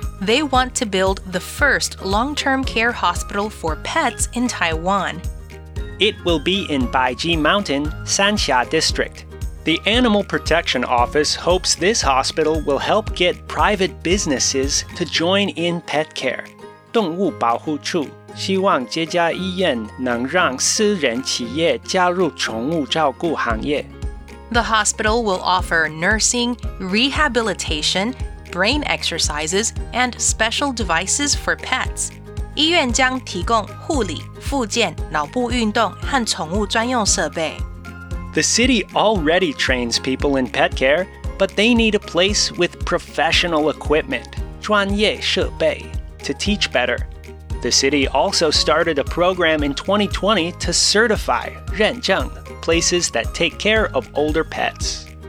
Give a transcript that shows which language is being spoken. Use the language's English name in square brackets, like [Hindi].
[English] They want to build the first long-term care hospital for pets in Taiwan. It will be in Baiji Mountain, Sanxia District. The Animal Protection Office hopes this hospital will help get private businesses to join in pet care. [Chinese] 动物保护处希望这家医院能让私人企业加入宠物照顾行业。 [English] The hospital will offer nursing, rehabilitation, brain exercises, and special devices for pets. [Chinese] 医院将提供护理、复健、脑部运动和宠物专用设备。 [English] The city already trains people in pet care, but they need a place with professional equipment, [Chinese] 专业设备, [English] to teach better. The city also started a program in 2020 to certify, [Chinese] 认证, [English] places that take care of older pets.